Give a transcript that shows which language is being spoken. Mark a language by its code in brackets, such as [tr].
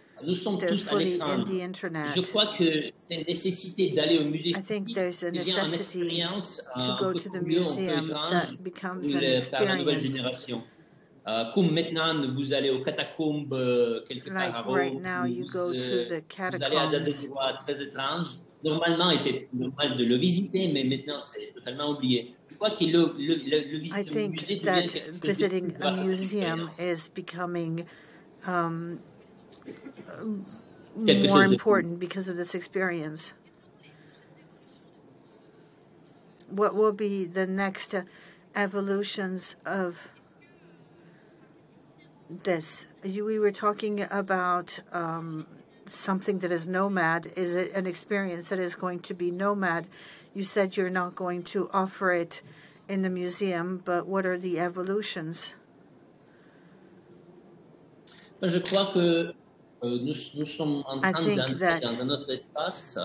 [fr] Nous sommes tous à l'écran. Je crois que c'est une nécessité d'aller au musée. [en] I think there's a necessity to go to the museum that becomes an experience. [fr] Comme maintenant, vous allez aux catacombes quelque part [en] like [fr] à Rome. [en] Right now, you go to the catacombs. [fr] Vous allez à des endroits très étranges. Normalement, il était normal de le visiter, mais maintenant, c'est totalement oublié. Je crois que le visite [en] I think [fr] musée [en] that visiting a museum is becoming more important because of this experience. What will be the next evolutions of this? We were talking about something that is nomad. Is it an experience that is going to be nomad? You said you're not going to offer it in the museum, but what are the evolutions? [fr] Je crois que nous sommes en train d'entrer dans un autre espace,